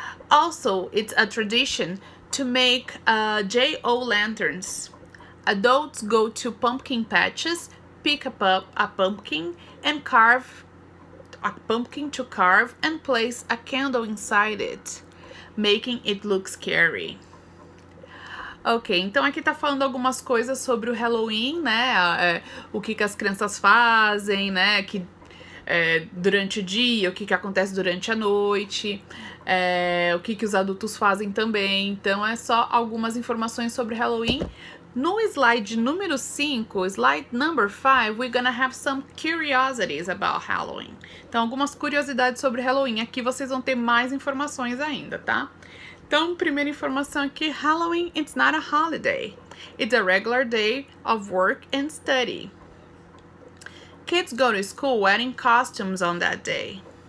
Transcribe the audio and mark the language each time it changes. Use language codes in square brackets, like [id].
[en] Also, it's a tradition to make J-O-lanterns. Adults go to pumpkin patches, pick up a pumpkin, and carve a pumpkin to carve and place a candle inside it, making it look scary. [pt] Ok, então aqui tá falando algumas coisas sobre o Halloween, né? O que que as crianças fazem, né? Durante o dia, o que que acontece durante a noite, o que que os adultos fazem também. Então é só algumas informações sobre Halloween No slide número 5, [en] slide number 5, we're gonna have some curiosities about Halloween. [pt] Então, algumas curiosidades sobre Halloween. Aqui vocês vão ter mais informações ainda, tá? Então, primeira informação aqui, Halloween, [en] it's not a holiday. It's a regular day of work and study. Kids go to school wearing costumes on that day.